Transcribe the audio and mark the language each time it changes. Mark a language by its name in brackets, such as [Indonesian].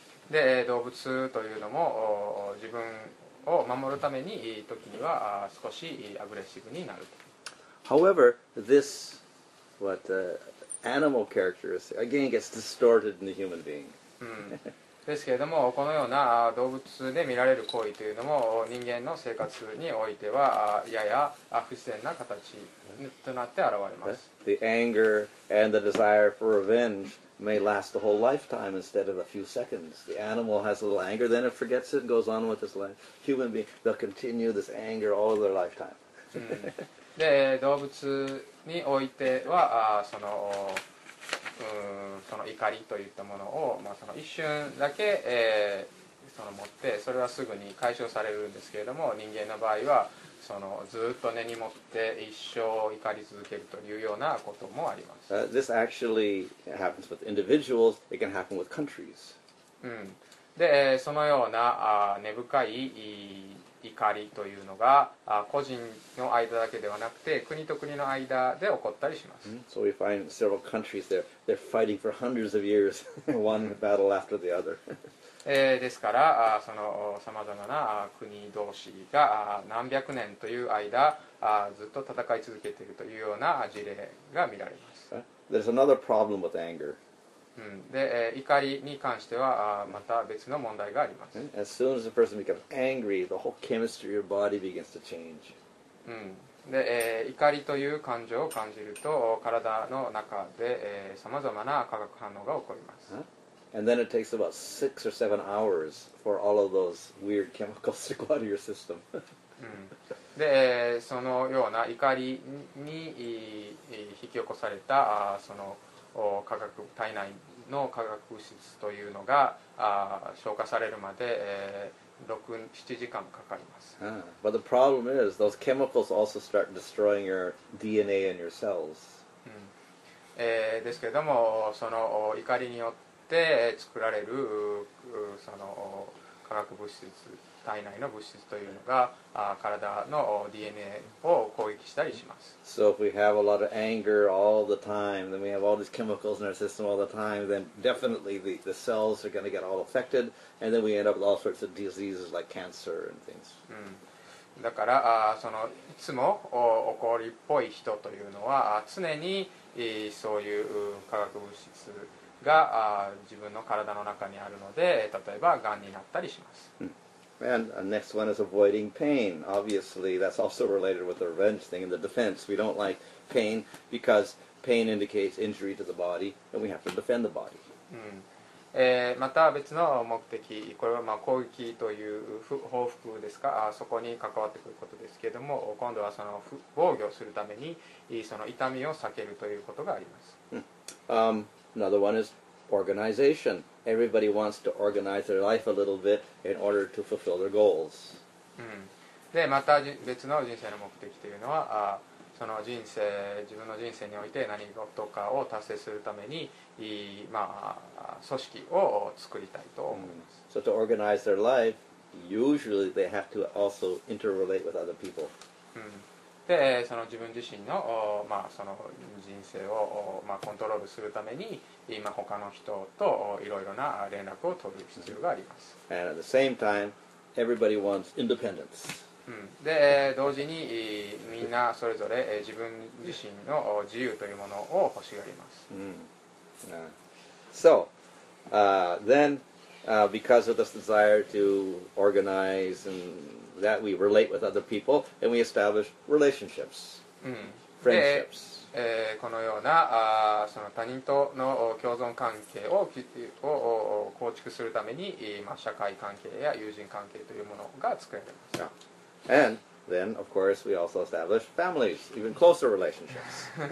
[Japanese] で、動物というのも、自分を守るために時には少しアグレッシブになると。 [English] However, thisBut the animal characteristic again gets distorted in the human being. [Japanese] ですけれども、このような動物で見られる行為というのも、人間の生活においてはやや不自然な形となって現れます。 [English] The anger and the desire for revenge may last the whole lifetime instead of a few seconds. The animal has a little anger, then it forgets it and goes on with its life. Human being, they'll continue this anger all of their lifetime. [Japanese] で、動物においてはその、その怒りといったものを、まあ、その一瞬だけ、その持ってそれはすぐに解消されるんですけれども、人間の場合はそのずっと根に持って一生怒り続けるというようなこともあります。 [English] This actually happens with individuals. It can happen with countries. [Japanese] で、そのような根深い怒りというのが個人の間だけではなくて国と国の間で起こったりします。 [English] So we find several countries they're fighting for hundreds of years, one battle after the other. [Japanese] ですから、そのさまざまな国同士が何百年という間ずっと戦い続けているというような事例が見られます。 [English] There's another problem with anger. [Japanese] で、怒りに関してはまた別の問題があります。 [English] As soon as a person becomes angry, the whole chemistry of your body begins to change. [Japanese] で、怒りという感情を感じると体の中で、様々な化学反応が起こります。 [English] And then it takes about 6 or 7 hours for all of those weird chemicals to go out of your system. [Japanese] で、そのような怒りに引き起こされたその化学体内の化学物質というのが消化されるまで、6、7時間かかります。 [English] But the problem is, those chemicals also start destroying your DNA and your cells. [Japanese] ですけれども、その怒りによって作られるその化学物質、体内の物質というのが体の DNA を攻撃したりします。 [English] So if we have a lot of anger all the time, then we have all these chemicals in our system all the time, then definitely the cells are going to get all affected, and then we end up with all sorts of diseases like cancer and things. [Japanese] だからそのいつも怒りっぽい人というのは常にそういう化学物質が自分の体の中にあるので、例えば癌になったりします。 [English] And the next one is avoiding pain. Obviously, that's also related with the revenge thing and the defense. We don't like pain because pain indicates injury to the body, and we have to defend the body. [Japanese] また別の目的、これはまあ攻撃という報復ですか、そこに関わってくることですけれども、今度はその防御するためにその痛みを避けるということがあります。 [English] Another one is organization. Everybody wants to organize their life a little bit in order to fulfill their goals. [Japanese] で、また別の人生の目的というのは、その人生、自分の人生において何事かを達成するために、まあ、組織を作りたいと思います。 [English] So to organize their life, usually they have to also interrelate with other people. [Japanese] で、その自分自身の、まあ、その人生を、まあ、コントロールするために、今他の人といろいろな連絡を取る必要があります。 [English] And at the same time, everybody wants independence. [Japanese] で、同時にみんなそれぞれ自分自身の自由というものを欲しがります。 [English] So, then, because of this desire to organize and that we relate with other people and we establish relationships, friendships. [Japanese] このようなその他人との共存関係 を構築するために、まあ、社会関係や友人関係というものが作られます。 Yeah. [English] And then, of course, we also establish families, even closer relationships.